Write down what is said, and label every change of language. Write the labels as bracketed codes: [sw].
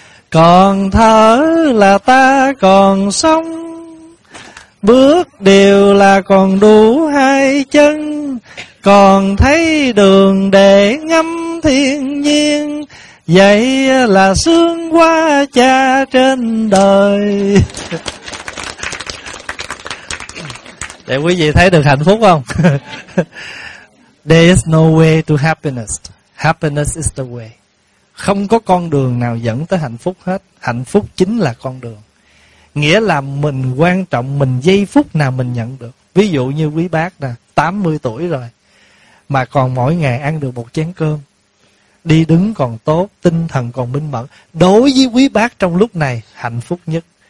[vi] Còn thở là ta còn sống, bước đều là còn đủ hai chân. Còn thấy đường để ngắm thiên nhiên, vậy là sướng quá cha trên đời. Để quý vị thấy được hạnh phúc không? [en] There is no way to happiness. Happiness is the way. [vi] Không có con đường nào dẫn tới hạnh phúc hết. Hạnh phúc chính là con đường. Nghĩa là mình quan trọng mình giây phút nào mình nhận được. Ví dụ như quý bác nè, 80 tuổi rồi mà còn mỗi ngày ăn được một chén cơm, đi đứng còn tốt, tinh thần còn minh mẫn, đối với quý bác trong lúc này hạnh phúc nhất.